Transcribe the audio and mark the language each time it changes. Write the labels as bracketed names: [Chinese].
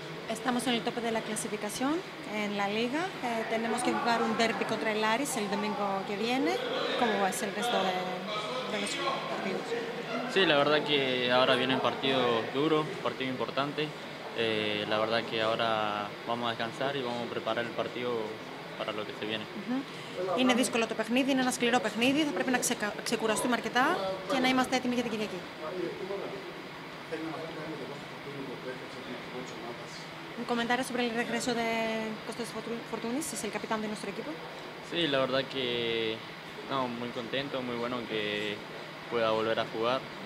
[Spanish] Estamos en el tope de la clasificación en la liga. Tenemos que jugar un derbi contra el Aris el domingo que viene. ¿Cómo va a ser el resto de los partidos? Sí, la verdad que ahora viene un partido duro, un partido importante. La verdad que ahora vamos a descansar y vamos a preparar el partido para lo que se viene. Uh-huh. [Greek] Είναι δύσκολο το παιχνίδι, είναι ένα σκληρό παιχνίδι. Θα πρέπει να ξεκουραστούμε αρκετά και να είμαστε έτοιμοι για την Κυριακή. [Spanish] Un comentario sobre el regreso de Costas Fortunis, es el capitán de nuestro equipo. Sí, la verdad que no, muy contento, muy bueno que pueda volver a jugar.